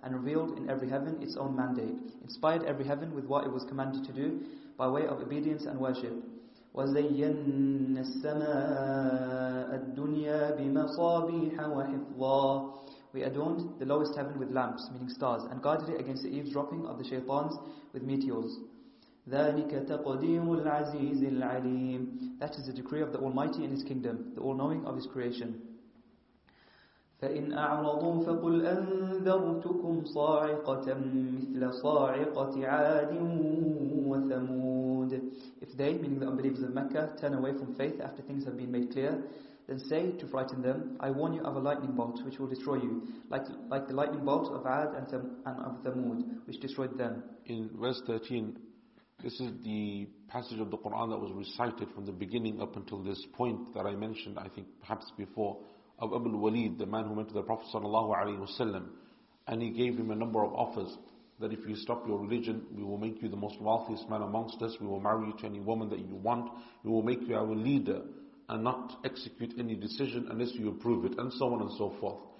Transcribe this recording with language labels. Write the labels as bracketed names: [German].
[English] And revealed in every heaven its own mandate. Inspired every heaven with what it was commanded to do, by way of obedience and worship. [Arabic] وَزَيَّنَّ السَّمَاءَ الدُّنْيَا بِمَصَابِيحَ وَحِفْظًا. [English] We adorned the lowest heaven with lamps, meaning stars, and guarded it against the eavesdropping of the shaytans with meteors. [Arabic] ذلك تقدير العزيز العليم. [English] That is the decree of the Almighty in His kingdom, the all-knowing of His creation. [Arabic] فإن أعرضوا فقل أنذرتكم صاعقة مثل صاعقة عاد وثمود. [English] If they, meaning the unbelievers of Mecca, turn away from faith after things have been made clear, then say to frighten them, I warn you of a lightning bolt which will destroy you, like the lightning bolt of Ad and of Thamud, which destroyed them. In verse 13, this is the passage of the Quran that was recited from the beginning up until this point that I mentioned, I think perhaps before, of Abu al-Walid, the man who went to the Prophet sallallahu alaihi wasallam, and he gave him a number of offers, that if you stop your religion, we will make you the most wealthiest man amongst us, we will marry you to any woman that you want, we will make you our leader, and not execute any decision unless you approve it, and so on and so forth.